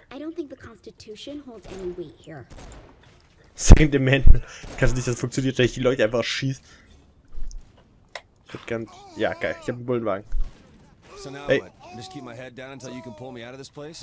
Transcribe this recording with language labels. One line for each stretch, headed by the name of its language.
English: I don't think the Constitution holds any weight here. Second Amendment.
German: Kannst du nicht, das funktioniert, wenn ich die Leute einfach schieße. Ich würde gern. Ja, geil. Ich hab einen Bullenwagen.
English: So now hey. What? Just keep my head down until you can pull me out of this place?